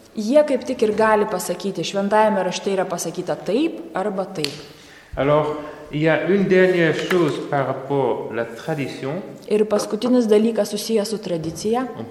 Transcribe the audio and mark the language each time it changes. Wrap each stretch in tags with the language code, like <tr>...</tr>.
<lt>Jie kaip tik ir gali pasakyti, šventajame rašte yra pasakyta taip arba taip.</lt> <fr>Alors, il y a une dernière chose par rapport à la tradition.</fr> <lt>Ir paskutinis dalykas susijęs su tradicija.</lt>